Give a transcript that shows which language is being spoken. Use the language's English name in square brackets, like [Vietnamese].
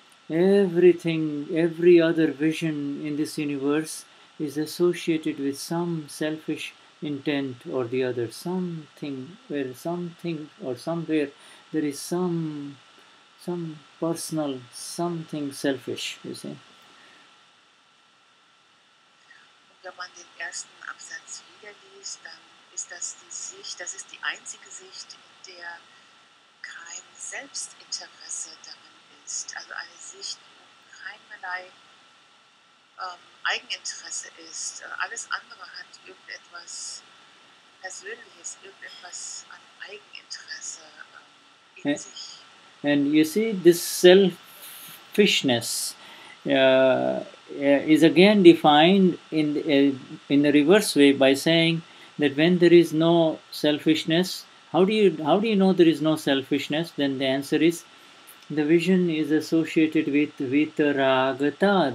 [English] Everything, every other vision in this universe is associated with some selfish intent or the other, somewhere there is some personal, something selfish, you see. [German] Wenn man den ersten Absatz wieder liest, dann ist das die Sicht, das ist die einzige Sicht, in der kein Selbstinteresse darin ist. Also eine Sicht, wo keinerlei Eigeninteresse ist. Alles andere hat irgendetwas Persönliches, irgendetwas an Eigeninteresse in sich. [English] And you see, this selfishness is again defined in the reverse way by saying that when there is no selfishness, how do you know there is no selfishness? Then the answer is the vision is associated with vitaragata.